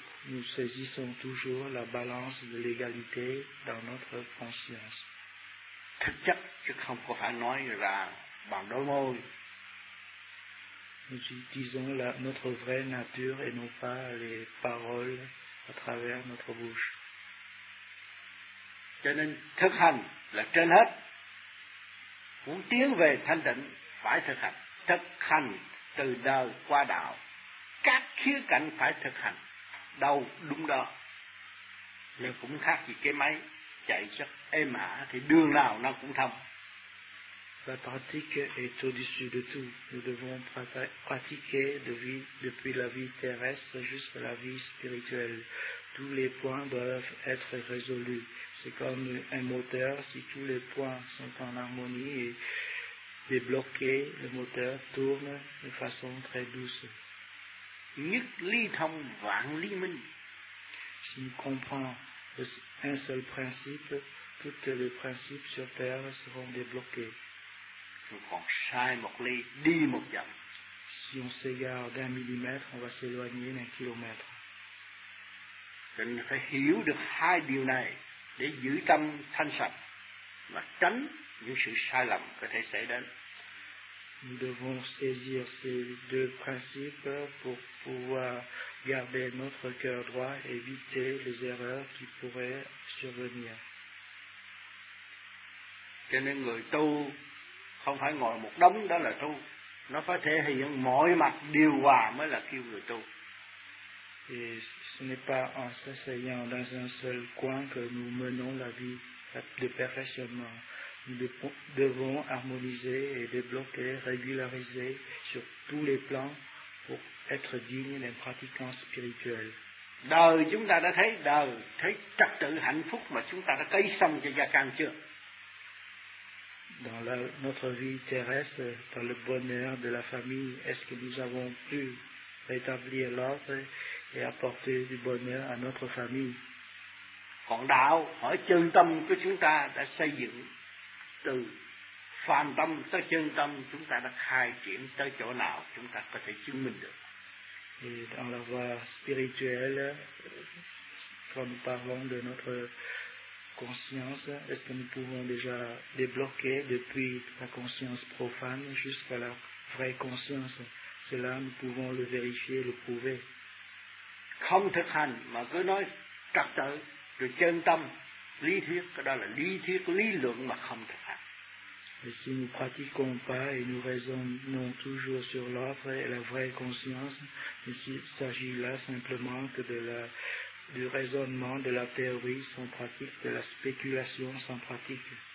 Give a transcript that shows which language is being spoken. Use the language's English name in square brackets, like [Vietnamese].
[French] Nous saisissons toujours la balance de l'égalité dans notre conscience. [Vietnamese] Thực chất chứ không có phải nói là bằng đôi môi. [French] Nous utilisons notre vraie nature et non pas les paroles à travers notre bouche. [Vietnamese] Cho nên thực hành là trên hết. Muốn tiến về thanh tịnh phải thực hành từ đời qua đạo, các khía cạnh phải thực hành, đâu đúng đó. Nhưng cũng khác gì cái máy chạy rất êm ả thì đường nào nó cũng thông. [French] La pratique est au-dessus de tout. Nous devons pratiquer depuis la vie terrestre jusqu'à la vie spirituelle. Tous les points doivent être résolus. C'est comme un moteur, si tous les points sont en harmonie et débloqués, le moteur tourne de façon très douce. [Vietnamese] Nhất ly thông vạn ly minh. [French] Si nous comprenons un seul principe, tous les principes sur terre seront débloqués. Nous prenons [Vietnamese] sai một ly, đi một dặm. [French] Si on s'égare d'un millimètre, on va s'éloigner d'un kilomètre. [Vietnamese] Cần phải hiểu được hai điều này để giữ tâm thanh sạch và tránh những sự sai lầm có thể xảy đến. [French] Nous devons saisir ces deux principes pour pouvoir garder notre cœur droit, éviter les erreurs qui pourraient survenir. [Vietnamese] Cho nên người tu không phải ngồi một đống đó là tu, nó phải thể hiện mọi mặt điều hòa mới là kêu người tu. [French] Et ce n'est pas en s'asseyant dans un seul coin que nous menons la vie de perfectionnement. Nous devons harmoniser et débloquer, régulariser sur tous les plans pour être dignes d'un pratiquant spirituel. [Vietnamese] Đời chúng ta đã thấy, đời thấy trật tự hạnh phúc mà chúng ta đã cấy xong cho gia căn chưa? [French] Dans notre vie terrestre, dans le bonheur de la famille, est-ce que nous avons pu rétablir l'ordre et apporter du bonheur à notre famille? [Vietnamese] Còn đạo, hỏi chân tâm của chúng ta đã xây dựng từ phàm tâm tới chân tâm, chúng ta đã khai triển tới chỗ nào chúng ta có thể chứng minh được? [French] Et dans la voie spirituelle, quand nous parlons de notre conscience, est-ce que nous pouvons déjà débloquer depuis la conscience profane jusqu'à la vraie conscience? Cela, nous pouvons le vérifier, le prouver. [Vietnamese] Không thực hành mà cứ nói trật tự rồi chân tâm lý thuyết, cái đó là lý thuyết lý luận mà không thực hành. [French] Et si nous pratiquons pas et nous raisonnons toujours sur l'offre et la vraie conscience, il s'agit là simplement que de la du raisonnement, de la théorie sans pratique, de la spéculation sans pratique.